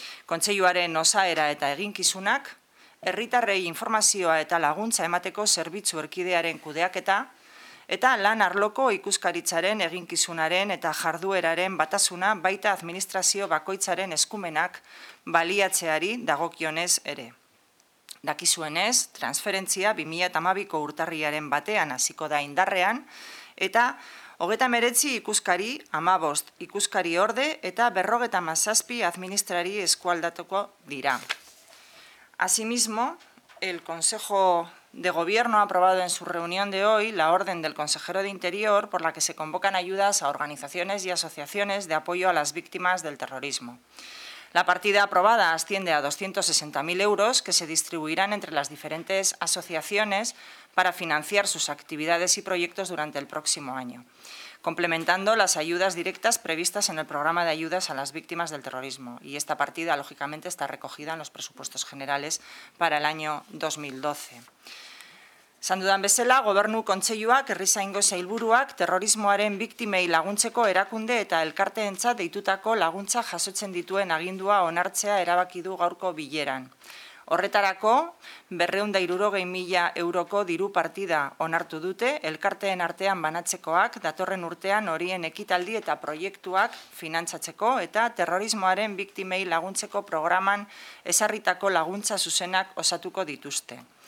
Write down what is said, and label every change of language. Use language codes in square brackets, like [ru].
[eu] Kontseiluaren osaera eta eginkizunak, herritarrei informazioa eta laguntza emateko zerbitzu erkidearen kudeaketa, eta lan arloko ikuskaritzaren eginkizunaren eta jardueraren batasuna baita administrazio bakoitzaren eskumenak baliatzeari dagokionez ere. Dakizuenez, transferentzia 2012ko urtarriaren batean hasiko da indarrean, eta 39 ikuskari, 15 ikuskari orde eta 57 administrari eskualdatuko dira. [es] Asimismo, el Consejo de Gobierno ha aprobado en su reunión de hoy la orden del consejero de Interior por la que se convocan ayudas a organizaciones y asociaciones de apoyo a las víctimas del terrorismo. La partida aprobada asciende a 260.000 euros que se distribuirán entre las diferentes asociaciones para financiar sus actividades y proyectos durante el próximo año, complementando las ayudas directas previstas en el programa de ayudas a las víctimas del terrorismo. Y esta partida, lógicamente, está recogida en los presupuestos generales para el año 2012. [eu] Esan dudan bezala, Gobernu Kontseiluak herrizaingo sailburuak terrorismoaren biktimei laguntzeko erakunde eta elkarteentzat deitutako laguntza jasotzen dituen agindua onartzea erabaki du gaurko bileran. Horretarako, 260.000 euroko diru partida onartu dute elkarteen artean banatzekoak datorren urtean horien ekitaldi eta proiektuak finantzatzeko eta terrorismoaren biktimei laguntzeko programan ezarritako laguntza zuzenak osatuko dituzte.